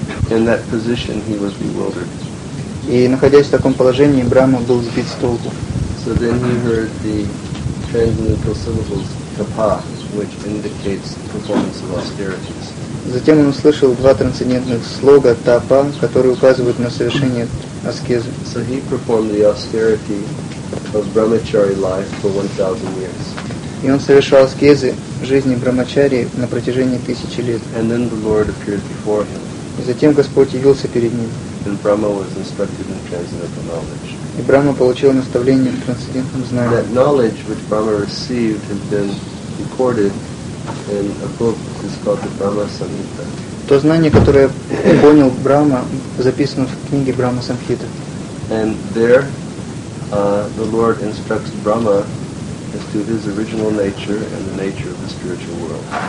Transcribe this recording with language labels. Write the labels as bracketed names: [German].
[English] In that position he was bewildered. [Russian] И находясь в таком положении, Брахма был сбит с толку. [English] So then he heard the transcendental syllables tapa, which indicates performance of austerities. [Russian] Затем он услышал 2 трансцендентных слога tapa, которые указывают на совершение аскезы. [English] So he performed the austerity of brahmachari life for 1,000 years. [Russian] И он совершал аскезы жизни брахмачари на протяжении 1000 лет. [English] And then the Lord appeared before him. [Russian] И затем Господь явился перед ним. [English] And Brahma was instructed in transcendental knowledge. [Russian] И Брахма получил наставление в трансцендентном знании. [English] That knowledge which Brahma received has been recorded in a book which is called the Brahma Samhita. [Russian] То знание, которое понял Брахма, записано в книге Брахма Самхита. [English] And there, the Lord instructs Brahma as to his original nature and the nature of the spiritual world.